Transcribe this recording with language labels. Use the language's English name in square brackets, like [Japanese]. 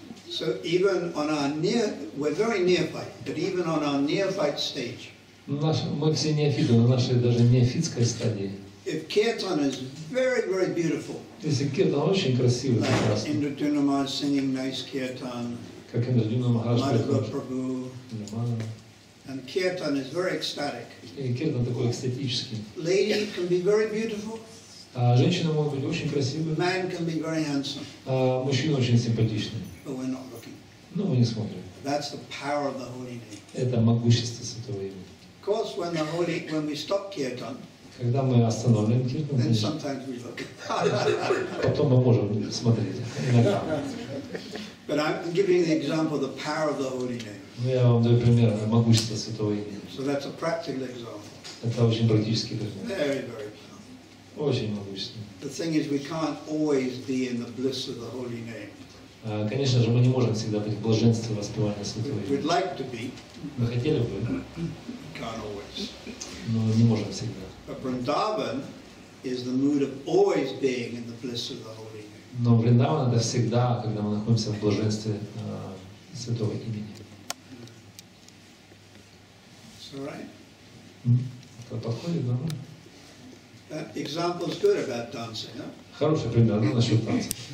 [English] So even on our near, we're very neophyte, but even on our neophyte stage. [Russian] Мы все неофиты, на нашей даже неофитской стадии. [English] If kirtan is very, very beautiful. [Russian] Если киртан очень красивый, [English] like [Russian] прекрасный. [English] Indra Duna Maharaj singing nice kirtan. [Russian] Как Indra Duna Maharaj поет. [English] And kirtan is very ecstatic. [Russian] И киртан такой экстатический. [English] Lady can be very beautiful. [Russian] Женщина может быть очень красивой. [English] Man can be very handsome. [Russian] Мужчина очень симпатичный. [English] But we're not looking. [Russian] Но мы не смотрим. [English] That's the power of the holy name. [Russian] Это могущество святого имени. [English] Of course, when the holy, when we stop kirtan. [Russian] Когда мы остановим киртан, [English] then sometimes we look. [Russian] Потом мы можем смотреть. [English] But I'm giving the example of the power of the holy name. [Russian] Я вам даю пример могущества святого имени. [English] So that's a practical example. [Russian] Это очень практический пример. [English] Very, very. [Russian] Очень могущественный. [English] The thing is, we can't always be in the bliss of the holy name. [Russian] Конечно же, мы не можем всегда быть в блаженстве воспевания святого имени. [English] We'd like to be. [Russian] Мы хотели бы. [English] Can't always. [Russian] Но не можем всегда. [English] But Vrindavan is the mood of always being in the bliss of the holy name. [Russian] Но Вриндаван это всегда, когда мы находимся в блаженстве святого имени. [English] It's all right. [Russian] Это подходит, да? [English] That example is good about dancing, huh? [Russian] Хороший пример, ну, насчет танца.